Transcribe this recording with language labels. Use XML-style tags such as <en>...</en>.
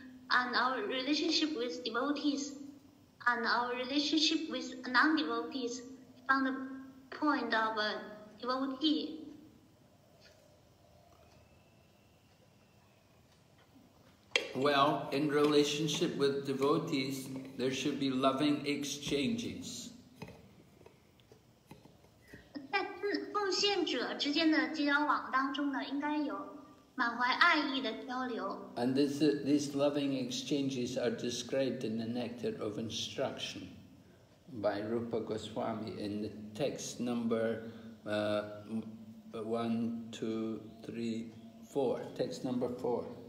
<en>And our relationship with devotees, and our relationship with non-devotees, from the point of a devotee. Well, in relationship with devotees, there should be loving exchanges.</en> <zh>在奉献者之间的交往当中呢，应该有。满怀爱意的交流。</zh> <en>And these loving exchanges are described in the Nectar of Instruction by Rupa Goswami in the text number 1, 2, 3, 4. Text number 4.</en>